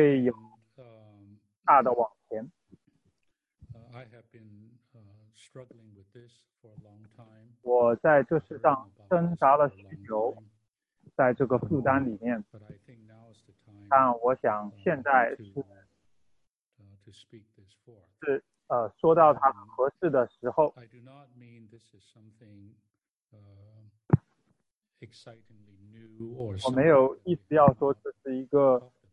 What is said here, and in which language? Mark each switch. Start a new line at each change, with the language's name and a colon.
Chinese: 在这样的关口，在要来的年份里，若是主，因着他的怜悯和恩赐，我们一个大的突破，我向你们保证，主恢复的恢复会有大的往前。
English: I have been struggling with this for a long time.
Chinese: 我在这世上挣扎了许久，在这个负担里面。
English: But I think now is the time.
Chinese: 但我想现在是说到它合适的时候。
English: I do not mean this is something excitingly new or.
Chinese: 我没有意思要说这是一个。